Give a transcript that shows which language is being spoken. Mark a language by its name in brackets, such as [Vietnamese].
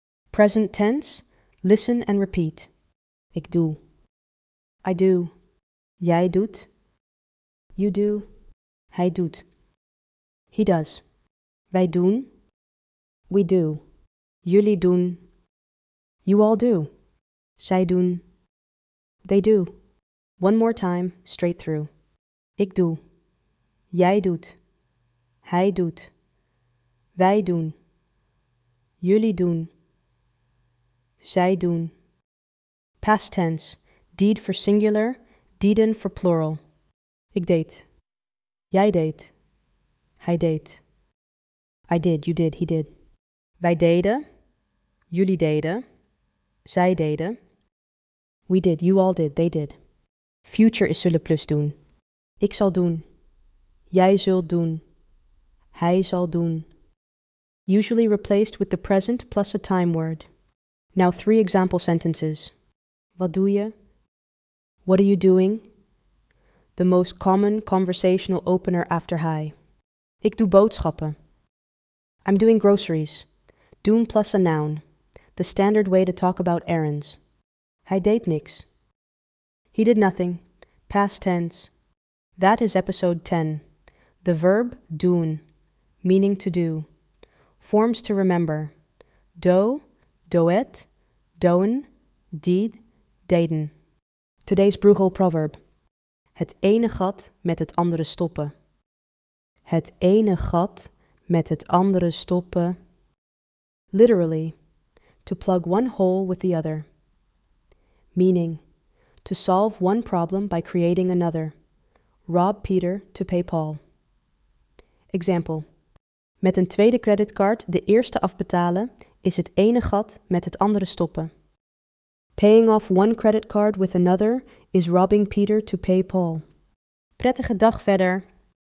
[English] Present tense, listen and repeat. [Dutch] Ik doe. [English] I do. [Dutch] Jij doet. [English] You do. [Dutch] Hij doet. [English] He does. [Dutch] Wij doen, [English] we do, [Dutch] jullie doen, [English] you all do, [Dutch] zij doen, [English] they do. One more time, straight through. [Dutch] Ik doe, jij doet, hij doet, wij doen, jullie doen, zij doen. [English] Past tense, deed for singular, deeden for plural. [Dutch] Ik deed, jij deed, hij deed. [English] I did, you did, he did. [Dutch] Wij deden, jullie deden, zij deden. [English] We did, you all did, they did. Future is [Dutch] zullen plus doen. Ik zal doen. Jij zult doen. Hij zal doen. [English] Usually replaced with the present plus a time word. Now three example sentences. [Dutch] Wat doe je? [English] What are you doing? The most common conversational opener after hi. [Dutch] Ik doe boodschappen. [English] I'm doing groceries. Doen plus a noun. The standard way to talk about errands. [Dutch] Hij deed niks. [English] He did nothing. Past tense. That is episode 10. The verb doen, meaning to do. Forms to remember. Do, doet, doen, deed, deden. Today's Bruegel proverb. [Dutch] Het ene gat met het andere stoppen. Het ene gat met het andere stoppen. [English] Literally, to plug one hole with the other. Meaning, to solve one problem by creating another. Rob Peter to pay Paul. [Dutch] Example, met een tweede creditcard de eerste afbetalen is het ene gat met het andere stoppen. [English] Paying off one credit card with another is robbing Peter to pay Paul. [Dutch] Prettige dag verder.